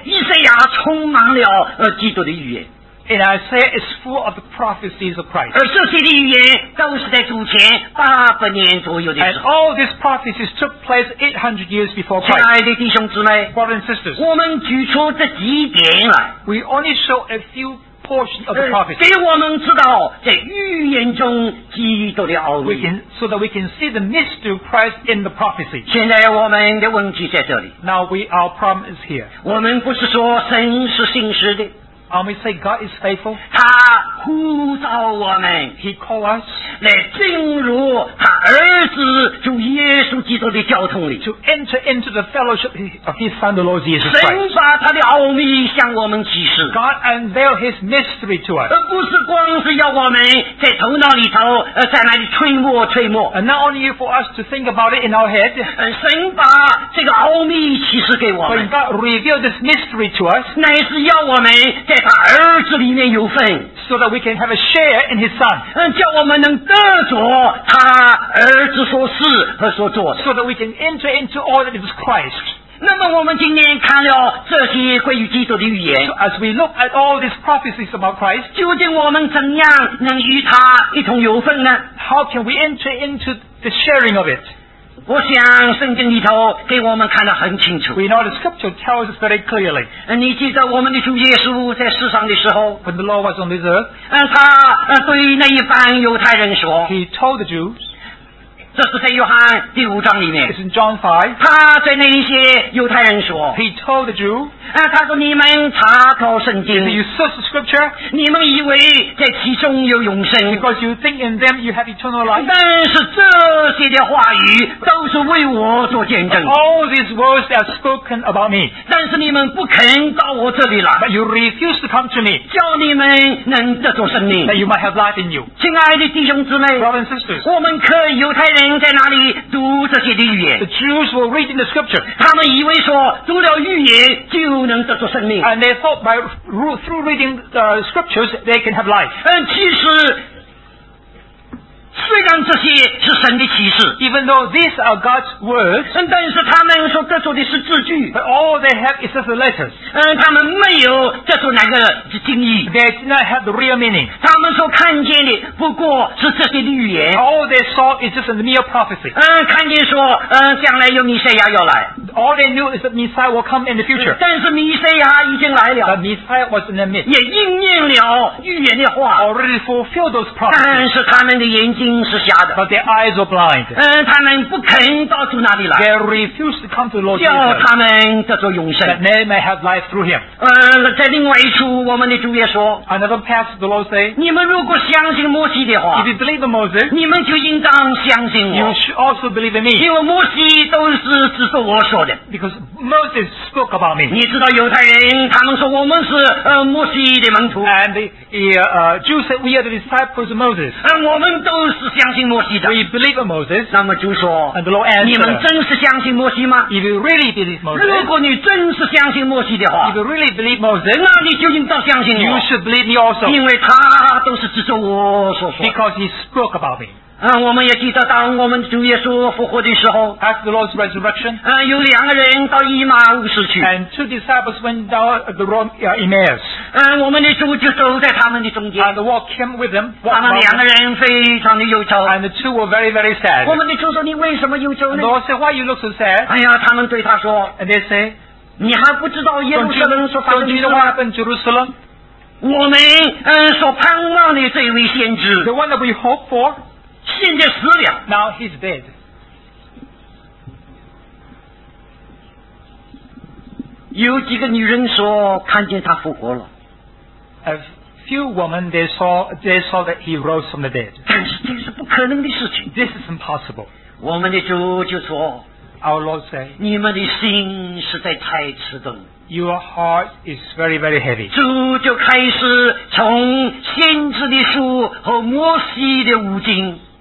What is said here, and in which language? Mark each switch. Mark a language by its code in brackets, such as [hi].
[zh] 以赛亚充满了基督的预言 [en] And Isaiah is full of the prophecies of Christ. [zh] 这些的预言都是在主前八百年左右的时候。 [en] And all these prophecies took place 800 years before Christ. [zh] 亲爱的弟兄姊妹 [en] Brothers and sisters, [zh] 我们举出这几点来。 [en] We only show a few portions of the prophecies. [zh] 给我们知道在预言中基督的奥秘。 [en] We can, so that we can see the mystery of Christ in the prophecy. [zh] 现在我们的问题在这里。 [en] Now we, our problem is here. [zh] 我们不是说神是信实的。 [en] And we say God is faithful. [zh] 他呼召我们 [en] He called us [zh] 来进入他儿子主耶稣基督的教统里 [en] To enter into the fellowship of his son the Lord Jesus Christ. [zh] 神把他的奥秘向我们启示 [en] God unveiled his mystery to us. [zh] 不是光是要我们在头脑里头在那里吹默 [en] And not only for us to think about it in our head. [zh] 神把这个奥秘启示给我们 [en] But God revealed this mystery to us. [zh] 乃是要我们在他儿子里面有份 [en] so that we can have a share in his son [zh] 叫我们能得着他儿子所事和所做 [en] so that we can enter into all that is Christ [zh] 那么我们今天看了这些关于基督的预言 [en] so as we look at all these prophecies about Christ [zh] 究竟我们怎样能与他一同有份呢 [en] how can we enter into the sharing of it [zh] 我想圣经里头给我们看得很清楚 [en] we know the scripture tells us very clearly [zh] 你记得我们的主耶稣在世上的时候 [en] when the Lord was on this earth [zh] 他对那一帮犹太人说 [en] he told the Jews [zh] 这是在约翰第五章里面。 [en] It's in John 5. [zh] 他对那些犹太人说。 [en] He told the Jew. [zh] 他说你们查考圣经。 [en] You search the scripture. [zh] 你们以为在其中有永生。 [en] Because you think in them you have eternal life. [zh] 但是这些的话语都是为我做见证。 [en] But all these words are spoken about me. [zh] 但是你们不肯到我这里来。 [en] But you refuse to come to me. [zh] 叫你们能得着生命。 [en] That you might have life in you. [zh] 亲爱的弟兄姊妹。 [en] Brothers and sisters. [zh] 我们可犹太人在哪里读这些的预言？ [en] The Jews were reading the scripture. [zh] 他们以为说读了预言就能得出生命。 [en] And they thought by through reading the scriptures they can have life. [zh] 其实虽然这些是神的启示， [en] even though these are God's words, [zh] 但是他们所得出的是字句。 [en] But all they have is just the letters. [zh] 他们没有得出哪个经意。 [en] They did not have the real meaning. [zh] 他们所看见的不过是这些的预言。 [en] All they saw is just a mere prophecy. [zh] 看见说，将来有弥赛亚要来。 [en] All they knew is that Messiah will come in the future. [zh] 但是弥赛亚已经来了。 [en] But Messiah was in the midst. [zh] 也应验了预言的话。 [en] Already fulfilled those prophecies. [zh] 但是他们的眼睛。 [en] But their eyes are blind. [zh] 他们不肯到主那里来。 [en] They refuse to come to the Lord. [zh] 叫他们得着永生。 [en] That they may have life through Him. [zh] 在另外一处，我们的主也说。 [en] Another passage, the Lord says. [zh] 你们如果相信摩西的话。 [en] If you believe in Moses. [zh] 你们就应当相信我。 [en] You should also believe in me. [zh] 因为摩西都是只是我说的。 [en] Because Moses spoke about me. [zh] 你知道犹太人，他们说我们是摩西的门徒。 [en] And Jews said we are the disciples of Moses. [zh] 我们都。是相信摩西的。 [en] We believe in Moses. [zh] 那么就说， [en] and the Lord answered, [zh] 你们真是相信摩西吗？ [en] If you really believe Moses, [zh] 如果你真是相信摩西的话， [en] If you really believe Moses, [zh] 那你就应当相信我。 [en] You should believe me also. [zh] 因为他都是指着我所说。 [en] Because he spoke about me. [zh] 我们也记得当我们主耶稣复活的时候， [en] After the Lord's resurrection, [zh] 有两个人到以马忤去， [en] and two disciples went down the road to Emmaus. [zh] 我们的主就走在他们的中间。 [en] And the walk came with them. [zh] 他们两个人非常的忧愁。 [en] And the two were very, very sad. [zh] 我们的主说：“你为什么忧愁呢？” [en] The Lord said, "Why you look so sad?" [zh] 哎呀，他们对他说 [en] ，And they say, [zh] 你还不知道耶路撒冷所发生的事吗？ [en] Don't you know what Jerusalem? [zh] 我们所盼望的这位先知 [en] ，The one that we hope for, [zh] 现在死了。 [en] Now he's dead. [zh] 有几个女人说看见他复活了。 [en] A few women they saw that he rose from the dead. [zh] 但是这是不可能的事情。 [en] This is impossible. [zh] 我们的主就说。 [en] Our Lord said. [zh] 你们的心实在太迟钝。 [en] Your heart is very, very heavy. [zh] 主就开始从先知的书和摩西的五经。